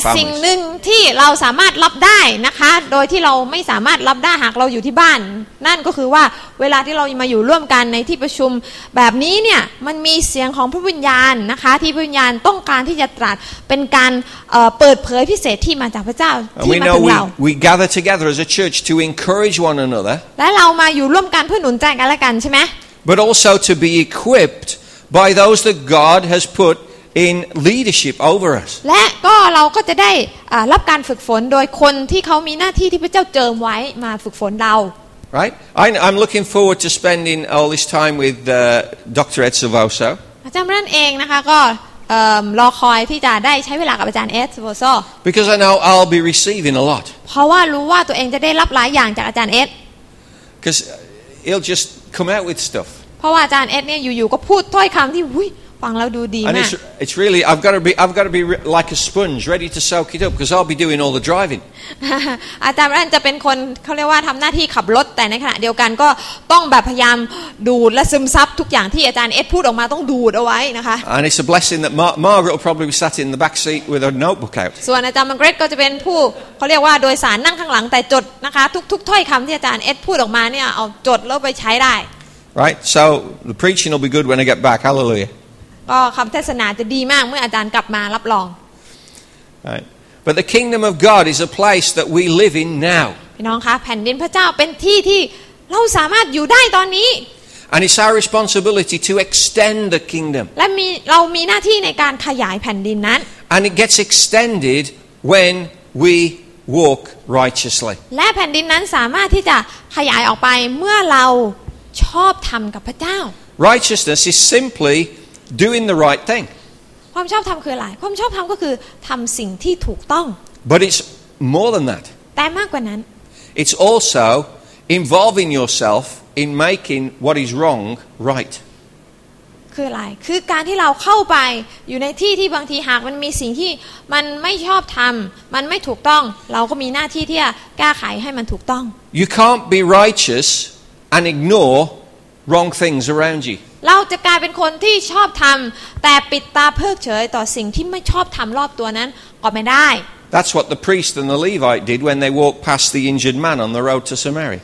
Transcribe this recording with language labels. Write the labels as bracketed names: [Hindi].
[Thai] แต่สิ่งหนึ่งที่เราสามารถรับได้นะคะโดยที่เราไม่สามารถรับได้หากเราอยู่ที่บ้านนั่นก็คือว่าเวลาที่เรามาอยู่ร่วมกันในที่ประชุมแบบนี้เนี่ยมันมีเสียงของพระวิญญาณนะคะที่พระวิญญาณต้องการที่จะตรัสเป็นการเปิดเผยพิเศษที่มาจากพระเจ้าที่มาถึงเรา [English] We gather together as a church to encourage one another. [Thai] และเรามาอยู่ร่วมกันเพื่อหนุนใจกันและกันใช่ไหม [English] But also to be equipped by those that God has put in leadership over us. [Thai] และก็เราก็จะได้รับการฝึกฝนโดยคนที่เขามีหน้าที่ที่พระเจ้าเจิมไว้มาฝึกฝนเรา [English] Right? I'm looking forward to spending all this time with Dr. Ed Silvoso. [Thai] อาจารย์นั่นเองนะคะก็ รอคอยที่จะได้ใช้เวลากับอาจารย์เอสโวโซ [English] Because I know I'll be receiving a lot [Thai] เพราะว่ารู้ว่าตัวเองจะได้รับหลายอย่างจากอาจารย์เอส [English] Because he'll just come out with stuff [Thai] เพราะว่าอาจารย์เอสเนี่ยอยู่ๆก็พูดถ้อยคำที่อุ๊ยฟังแล้วดูดีมาก [English] It's really I've got to be like a sponge ready to soak it up because I'll be doing all the driving [Thai] อาจารย์เอสจะเป็นคนเขาเรียกว่าทำหน้าที่ขับรถแต่ในขณะเดียวกันก็ต้องแบบพยายามดูดและซึมซับทุกอย่างที่อาจารย์เอสพูดออกมาต้องดูดเอาไว้นะคะ [English] And it's a blessing that Margaret will probably be sat in the back seat with a notebook out [Thai] ส่วนอาจารย์มังเกรดก็จะเป็นผู้เขาเรียกว่าโดยสารนั่งข้างหลังแต่จดนะคะทุกถ้อยคำที่อาจารย์เอสพูดออกมาเนี่ยเอาจดแล้วไปใช้ได้ [English] Right so the preaching will be good when I get back Hallelujah [Thai] ก็คำเทศนาจะดีมากเมื่ออาจารย์กลับมารับรอง [English] Right. But the kingdom of God is a place that we live in now. [Thai] พี่น้องคะแผ่นดินพระเจ้าเป็นที่ที่เราสามารถอยู่ได้ตอนนี้ [English] And it's our responsibility to extend the kingdom. [Thai] และเรามีหน้าที่ในการขยายแผ่นดินนั้น [English] And it gets extended when we walk righteously. [Thai] และแผ่นดินนั้นสามารถที่จะขยายออกไปเมื่อเราชอบธรรมกับพระเจ้า [English] Righteousness is simplyDoing the right thing. [Thai] ความชอบธรรมคืออะไรความชอบธรรมก็คือทำสิ่งที่ถูกต้อง [English] But it's more than that. [Thai] แต่มากกว่านั้น [English] It's also involving yourself in making what is wrong right. [Thai] คืออะไรคือการที่เราเข้าไปอยู่ในที่ที่บางทีหากมันมีสิ่งที่มันไม่ชอบธรรมมันไม่ถูกต้องเราก็มีหน้าที่ที่จะแก้ไขให้มันถูกต้อง [English] You can't be righteous and ignore wrong things around you. [Thai] เราจะกลายเป็นคนที่ชอบทำแต่ปิดตาเพิกเฉยต่อสิ่งที่ไม่ชอบทำรอบตัวนั้นก็ไม่ได้ [English] That's what the priest and the Levite did when they walked past the injured man on the road to Samaria.